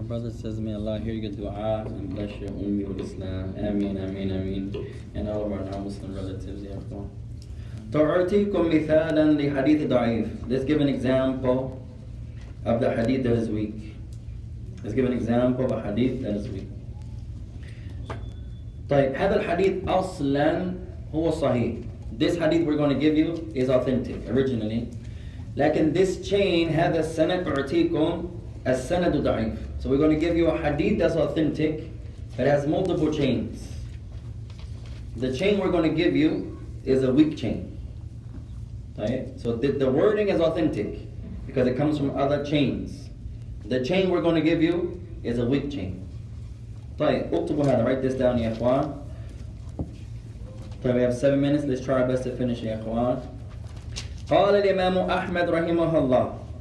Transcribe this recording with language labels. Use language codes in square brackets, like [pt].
[en] says, may Allah hear your dua and bless your ummi with Islam. Ameen, ameen, ameen. And all of our non-Muslim relatives, ya Akhwan. Let's give an example of the hadith that is weak. Let's give an example of a hadith that is weak. [ar] طيب, هذا الحديث أصلاً هو صحيح. [en] This hadith we're going to give you is authentic, originally. [ar] لكن [en] this chain, [ar] هذا السند تعطيكم السند ضعيف. [en] So we're going to give you a hadith that's authentic, but has multiple chains. The chain we're going to give you is a weak chain. Right? So the wording is authentic because it comes from other chains. The chain we're going to give you is a weak chain. Right? Write this down, ya ikhwan. We have 7 minutes. Let's try our best to finish, ya ikhwan. [ar] قال الإمام أحمد رحمه الله.